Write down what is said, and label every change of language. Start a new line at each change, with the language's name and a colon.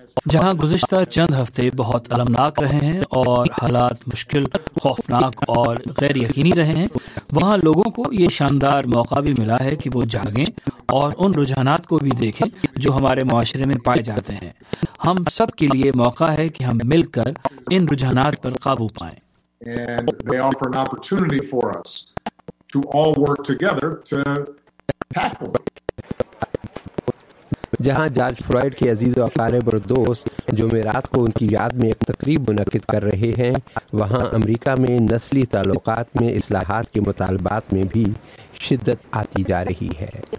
Urdu: جہاں گزشتہ چند ہفتے بہت المناک رہے ہیں اور حالات مشکل, خوفناک اور غیر یقینی رہے ہیں, وہاں لوگوں کو یہ شاندار موقع بھی ملا ہے کہ وہ جاگیں اور ان رجحانات کو بھی دیکھیں جو ہمارے معاشرے میں پائے جاتے ہیں. ہم سب کے لیے موقع ہے کہ ہم مل کر ان رجحانات پر قابو پائیں.
English: And they offer an opportunity for us to all work together to tackle.
Urdu: جہاں جارج فلوئڈ کے عزیز و اقارب اور دوست جمعرات کو ان کی یاد میں ایک تقریب منعقد کر رہے ہیں, وہاں امریکہ میں نسلی تعلقات میں اصلاحات کے مطالبات میں بھی شدت آتی جا رہی ہے.